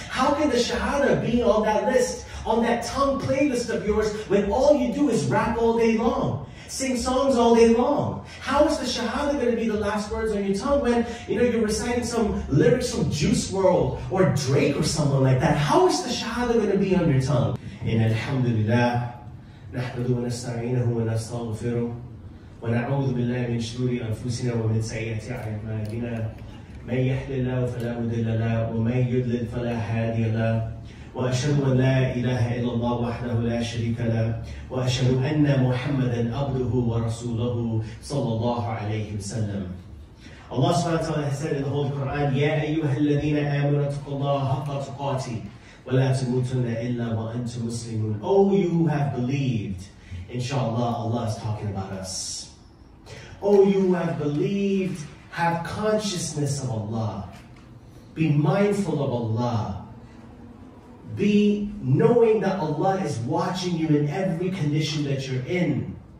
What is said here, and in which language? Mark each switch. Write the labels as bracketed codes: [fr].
[en] How can the shahada be on that list, on that tongue playlist of yours, when all you do is rap all day long, sing songs all day long? How is the shahada going to be the last words on your tongue when, you know, you're reciting some lyrics from Juice WRLD or Drake or someone like that? How is the shahada going to be on your tongue? [ar] إن الحمد لله نحمده ونستعينه ونستغفره ونعوذ بالله من شرور أنفسنا ومن سيئات أعمالنا من يهد الله فلا مضل له ومن يضلل فلا هادي له وأشهد أن لا إله إلا الله وحده لا شريك له وأشهد أن محمدا عبده ورسوله صلى الله عليه وسلم. الله سبحانه وتعالى [en] said in the Holy Quran, [ar] يا أيها الذين آمنوا اتقوا الله حق تقاته وَلَا تَمُوتُنَّ إِلَّا وَأَنْتُمْ مُسْلِمُونَ. [en] Oh, you who have believed, inshallah, Allah is talking about us. Oh, you who have believed, have consciousness of Allah. Be mindful of Allah. Be knowing that Allah is watching you in every condition that you're in.